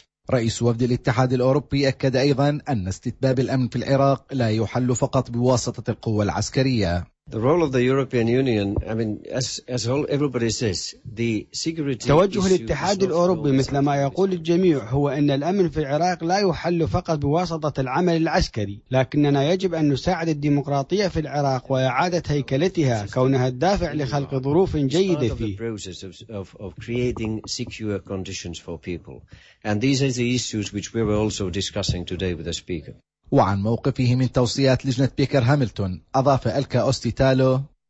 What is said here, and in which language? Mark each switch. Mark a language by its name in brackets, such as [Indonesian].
[Arabic] رئيس وفد الاتحاد الأوروبي أكد أيضا أن استتباب الأمن في العراق لا يحل فقط بواسطة القوة العسكرية. [English] The role of the European Union, I mean, as all everybody says, the security. [Arabic] توجه الاتحاد الأوروبي مثل ما يقول الجميع هو أن الأمن في العراق لا يحل فقط بواسطة العمل العسكري، لكننا يجب أن نساعد الديمقراطية في العراق وإعادة هيكلتها كونها الدافع لخلق ظروف جيدة فيه. [English] Part of the process of creating secure conditions for people, and these are the issues which we were also discussing today with the speaker. [Arabic] وعن موقفه من توصيات لجنة بيكر هاملتون أضاف ألكا أوستي تالو: